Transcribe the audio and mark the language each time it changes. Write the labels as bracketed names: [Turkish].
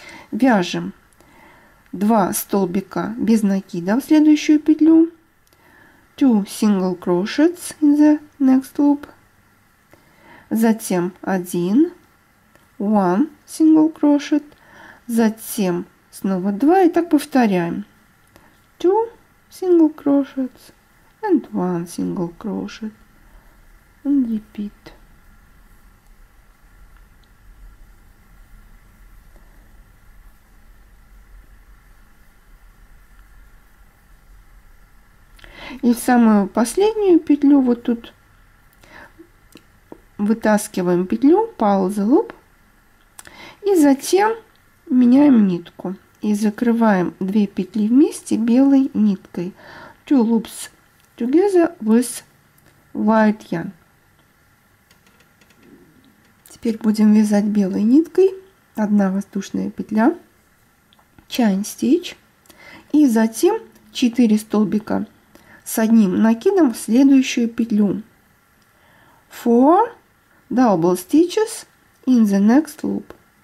[Russian] Вяжем 2 столбика без накида в следующую петлю, [English] 2 single crochets in the next loop, [Russian] затем 1, [English] 1 single crochet, [Russian] затем снова 2, и так повторяем. [English] 2 single crochets and 1 single crochet and repeat. [Russian] И в самую последнюю петлю вот тут вытаскиваем петлю, [English] pause loop, [Russian] и затем меняем нитку и закрываем 2 петли вместе белой ниткой. [English] Two loops together with white yarn. [Russian] Теперь будем вязать белой ниткой. Одна воздушная петля, [English] chain stitch, [Russian] и затем 4 столбика с одним накидом в следующую петлю. [English] Four double stitches in the next loop.